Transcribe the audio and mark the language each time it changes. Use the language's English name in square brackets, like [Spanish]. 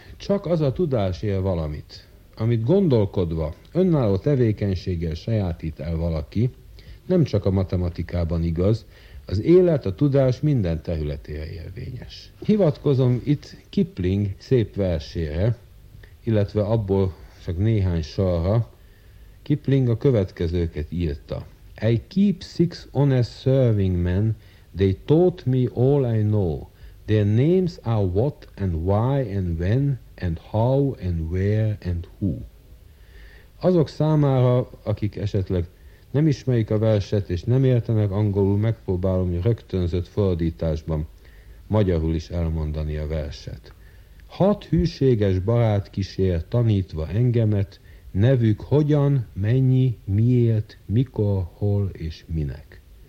[Hungarian] Csak az a tudás él valamit, amit gondolkodva, önálló tevékenységgel sajátít el valaki, nem csak a matematikában igaz, az élet, a tudás minden területére érvényes. Hivatkozom itt Kipling szép versére, illetve abból csak néhány sarra. Kipling a következőket írta. [English] I keep six honest serving men, they taught me all I know. Their names are what and why and when and how and where and who. [Hungarian] Azok számára, akik esetleg nem ismerik a verset és nem értenek angolul, megpróbálom rögtönzött fordításban magyarul is elmondani a verset. Hat hűséges barát kísér tanítva engemet, nevük hogyan, mennyi, miért, mikor, hol és minek.